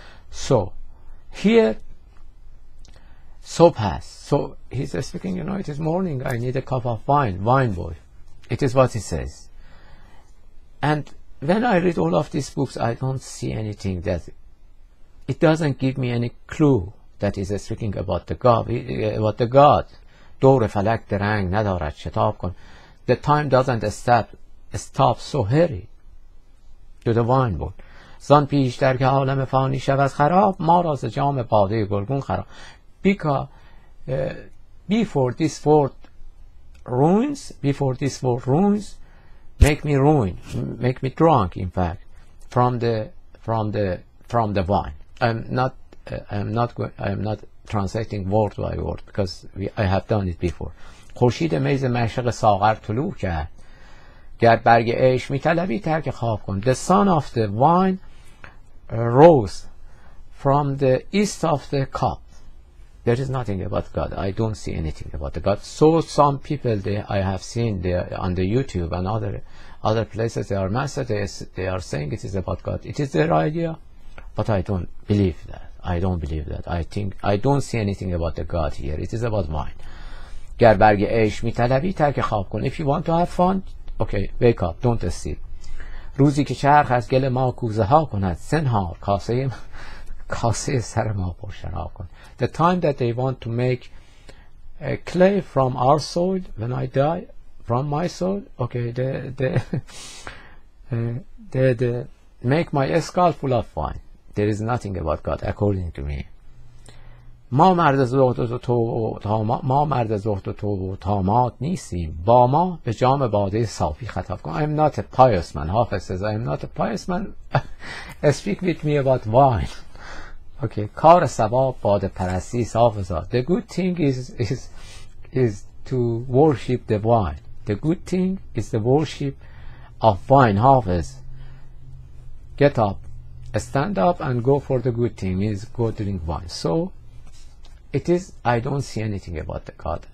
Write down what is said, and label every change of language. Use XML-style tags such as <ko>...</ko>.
<en>So, here,</en> <fa>صبح است.</fa> <en>So he's speaking, you know, it is morning, I need a cup of wine. Wine boy, it is what he says. And when I read all of these books, I don't see anything that it doesn't give me any clue that he's speaking about the God. About the God,</en> <fa>دور فلک درنگ ندارد شتاب کن.</fa> <en>The time doesn't stop so hurry to the wine boy.</en> <fa>زان پیشتر که عالم فانی شود خراب ما را ز جام باده گلگون خراب.</fa> <en>Because before this word ruins, before this word ruins, make me ruin, make me drunk. In fact, from the wine. I'm not translating word by word because I have done it before.</en> <fa>خورشید می ز مشرق ساغر طلوع کرد. گر برگ عیش می طلبی ترک خواب کن.</fa> <en>The sun of the wine rose from the east of the cup. There is nothing about God. I don't see anything about the God. So some people I have seen there on the YouTube and other places, they are master, they are saying it is about God. It is their idea, but I don't believe that. I don't believe that. I think I don't see anything about the God here. It is about mine.</en> <fa>گر برگ عیش میطلبی ترک خواب کن.</fa> <en>If you want to have fun, okay, wake up. Don't sleep.</en> <fa>روزی که چرخ از گل ما کوزه ها کند، زنهار کاسه سر ما پرشنا کن.</fa> <en>The time that they want to make a clay from our soil, when I die, from my soul, okay, the make my skull full of wine. There is nothing about God according to me.</en> <fa>ما مرد زهد و تامات نیستیم. با ما به جام باده صافی خطاب کن.</fa> <en>I am not a pious man. Hafez says, I am not a pious man. Speak with me about wine. Okay.</en> <fa>کار ثواب باده پرستی حافظا.</fa> <en>The good thing is to worship the wine. The good thing is the worship of wine. Hafiz, get up, stand up and go for the good thing is go drink wine. So it is, I don't see anything about the God.</en>